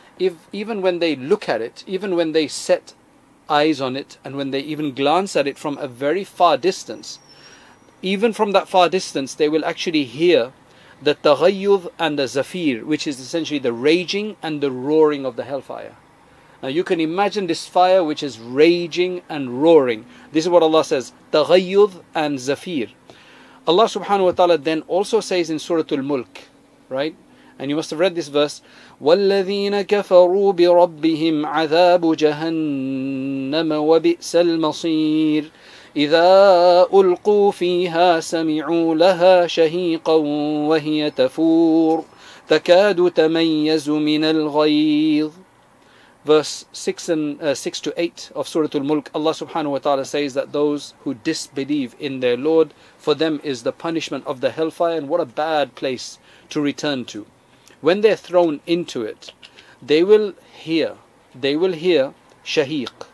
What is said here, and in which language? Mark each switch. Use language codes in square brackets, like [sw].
[en] If even when they look at it, even when they set eyes on it, and when they even glance at it from a very far distance, even from that far distance, they will actually hear the taghayyud and the zafir, which is essentially the raging and the roaring of the hellfire. Now you can imagine this fire which is raging and roaring. This is what Allah says, taghayyud and zafir. Allah subhanahu wa ta'ala then also says in Surah Al-Mulk, right? And you must have read this verse, [ar] وَالَّذِينَ كَفَرُوا بِرَبِّهِمْ عَذَابُ جَهَنَّمَ وَبِئْسَ الْمَصِيرِ إِذَا أُلْقُوا فِيهَا سَمِعُوا لَهَا شَهِيقًا وَهِيَ تَفُورُ تَكَادُ تَمَيَّزُ مِنَ الْغَيْظِ. [en] Verse 6 and 6 to 8 of Surah Al-Mulk, Allah subhanahu wa ta'ala says that those who disbelieve in their Lord, for them is the punishment of the hellfire, and what a bad place to return to. When they're thrown into it, they will hear shahiq.